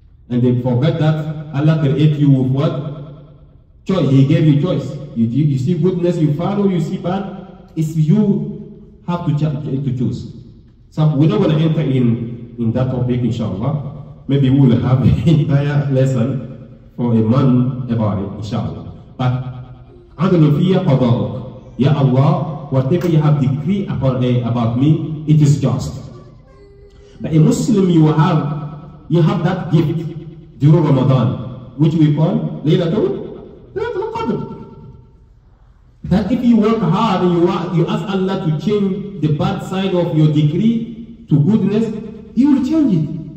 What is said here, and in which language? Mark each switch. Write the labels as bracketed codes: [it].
[en] And they forget that Allah created you with what? Choice. He gave you choice. You see goodness, you follow, you see bad. It's you have to choose. So we're not going to enter in that topic, inshallah. Maybe we will have an entire lesson for a month about it, inshallah. But [ar] عَدْلُ فِيَا قَضَاءُكَ. [en] Ya Allah, whatever you have decreed about me, it is just. But a Muslim, you have that gift during Ramadan, which we call Laylatul Qadr. That if you work hard and you ask Allah to change the bad side of your decree to goodness, he will change it.